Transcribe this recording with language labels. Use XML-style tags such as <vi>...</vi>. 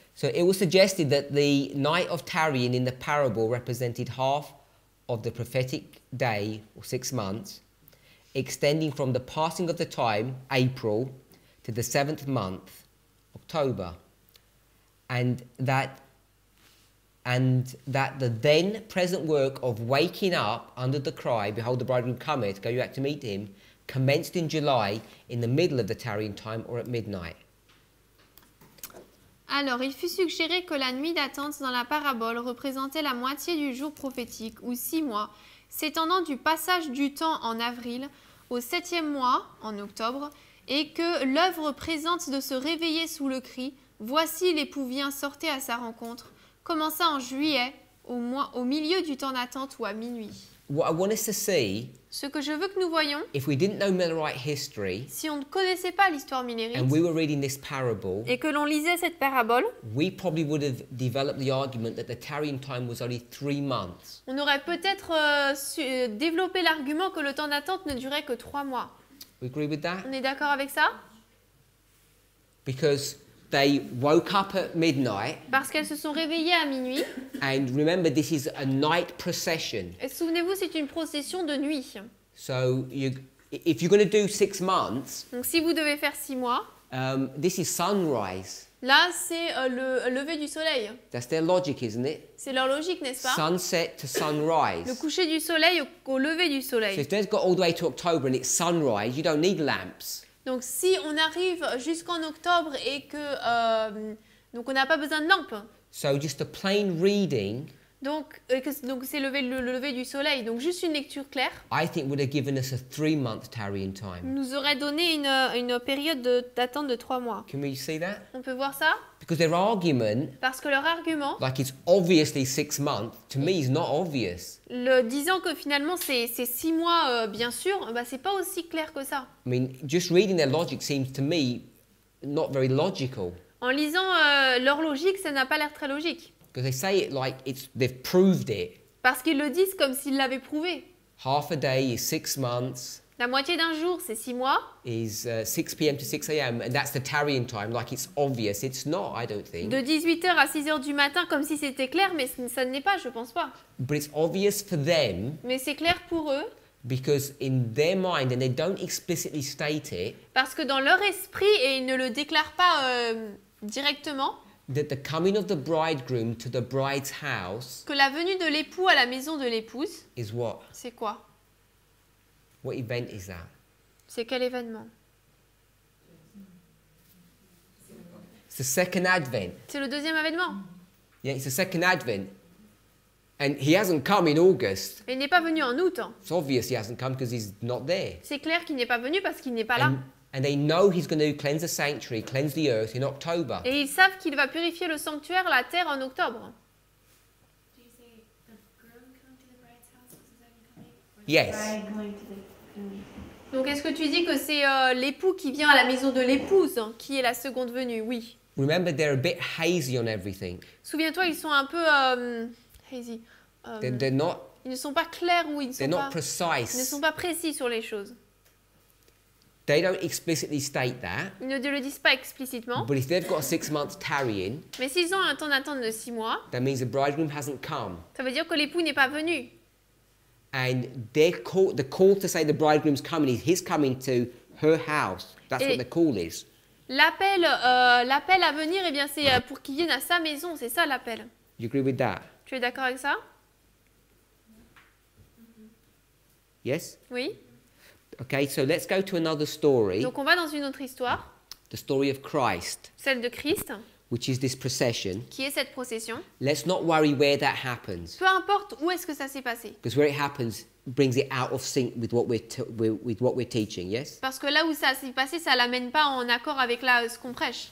<en>So it was suggested that the night of tarrying in the parable represented half of the prophetic day, or 6 months, extending from the passing of the time, April, to the seventh month, October, and that the then present work of waking up under the cry, behold the bridegroom cometh, go you out to meet him, commenced in July in the middle of the tarrying time or at midnight.</en> <fr>Alors, il fut suggéré que la nuit d'attente dans la parabole représentait la moitié du jour prophétique, ou 6 mois, s'étendant du passage du temps en avril au 7e mois, en octobre, et que l'œuvre présente de se réveiller sous le cri « Voici l'époux vient, sortez à sa rencontre » commença en juillet, au milieu du temps d'attente ou à minuit.</fr> <en>What I want us to see,</en> <fr>ce que je veux que nous voyons,</fr> <en>if we didn't know Millerite history,</en> <fr>si on ne connaissait pas l'histoire millérite,</fr> <en>and we were reading this parable,</en> <fr>et que l'on lisait cette parabole,</fr> <en>we probably would have developed the argument that the tarrying time was only 3 months.</en> <fr>On aurait peut-être développé l'argument que le temps d'attente ne durait que 3 mois.</fr> <en>We agree with that?</en> <fr>On est d'accord avec ça?</fr> <en>Because they woke up at midnight.</en> <fr>Parce qu'elles se sont réveillées à minuit.</fr> <en>And remember, this is a night procession.</en> <fr>Et souvenez-vous, c'est une procession de nuit.</fr> <en>So, if you're going to do 6 months.</en> <fr>Donc, si vous devez faire 6 mois.</fr> <en>This is sunrise.</en> <fr>Là, c'est le lever du soleil.</fr> <en>That's their logic, isn't it?</en> <fr>C'est leur logique, n'est-ce pas?</fr> <en>Sunset to sunrise.</en> <fr>Le coucher du soleil au lever du soleil.</fr> <en>So, if they've got all the way to October and it's sunrise, you don't need lamps.</en> <fr>Donc, si on arrive jusqu'en octobre et que donc on n'a pas besoin de lampe.</fr> <en>So just a plain reading.</en> <fr>Donc c'est lever du soleil. Donc juste une lecture claire.</fr> <en>I think would have given us a 3 month tarrying time.</en> <fr>Nous aurait donné une période d'attente de 3 mois.</fr> <en>Can we see that?</en> <fr>On peut voir ça?</fr> <en>Because their argument.</en> <fr>Parce que leur argument.</fr> <en>Like it's obviously 6 months. To me, it's not obvious.</en> <fr>Le disant que finalement c'est 6 mois, bien sûr, c'est pas aussi clair que ça.</fr> <en>I mean, just reading their logic seems to me not very logical.</en> <fr>En lisant leur logique, ça n'a pas l'air très logique.</fr> <en>Because they say it like it's they've proved it.</en> <fr>Parce qu'ils le disent comme s'ils l'avaient prouvé.</fr> <en>Half a day is 6 months.</en> <fr>La moitié d'un jour, c'est 6 mois.</fr> <en>Is 6 p.m. to 6 a.m. and that's the tarrying time. Like it's obvious. It's not, I don't think.</en> <fr>De 18h à 6h du matin, comme si c'était clair, mais ça ne l'est pas, je pense pas.</fr> <en>But it's obvious for them.</en> <fr>Mais c'est clair pour eux.</fr> <en>Because in their mind, and they don't explicitly state it.</en> <fr>Parce que dans leur esprit, et ils ne le déclarent pas directement.</fr> <en>That the coming of the bridegroom to the bride's house.</en> <fr>Que la venue de l'époux à la maison de l'épouse.</fr> <en>Is what?</en> <fr>C'est quoi?</fr> <en>What event is that?</en> <fr>C'est quel événement?</fr> <en>It's the second advent.</en> <fr>C'est le deuxième événement.</fr> <en>Yeah, it's the second advent. And he hasn't come in August.</en> <fr>Il n'est pas venu en août.</fr> <en>It's obvious he hasn't come because he's not there.</en> <fr>C'est clair qu'il n'est pas venu parce qu'il n'est pas là.</fr> <en>And they know he's going to cleanse the sanctuary, cleanse the earth in October.</en> <fr>Et ils savent qu'il va purifier le sanctuaire, la terre, en octobre.</fr> <en>Do you say the groom coming to the bride's house? Is that coming? Yes. The bride going to</en> <fr>Donc, est-ce que tu dis que c'est l'époux qui vient à la maison de l'épouse, hein, qui est la seconde venue? Oui.</fr> <en>Remember, they're a bit hazy on everything.</en> <fr>Souviens-toi, ils sont un peu hazy.</fr> <en>They're not.</en> <fr>Ils ne sont pas clairs ou ils ne sont</fr> <en>not</en> <fr>pas</fr> <en>precise.</en> <fr>Ils ne sont pas précis sur les choses.</fr> <en>They don't explicitly state that.</en> <fr>Ils ne le disent pas explicitement.</fr> <en>But if they've got 6 months tarrying,</en> <fr>mais s'ils ont un temps d'attente de 6 mois,</fr> <en>that means the bridegroom hasn't come.</en> <fr>Ça veut dire que l'époux n'est pas venu.</fr> <en>And they call, the call to say the bridegroom's coming is his coming to her house. That's</en> <fr>et</fr> <en>what the call is.</en> <fr>L'appel, l'appel à venir, eh bien, c'est pour qu'il vienne à sa maison. C'est ça l'appel.</fr> <en>You agree with that?</en> <fr>Tu es d'accord avec ça?</fr> <en>Yes?</en> <fr>Oui.</fr> <en>Okay, so let's go to another story.</en> <fr>Donc on va dans une autre histoire.</fr> <en>The story of Christ.</en> <fr>Celle de Christ.</fr> <en>Which is this procession.</en> <fr>Qui est cette procession.</fr> <en>Let's not worry where that happens.</en> <fr>Peu importe où est-ce que ça s'est passé.</fr> <en>Because where it happens brings it out of sync with what we're teaching, yes?</en> <fr>Parce que là où ça s'est passé, ça l'amène pas en accord avec là ce qu'on prêche.</fr>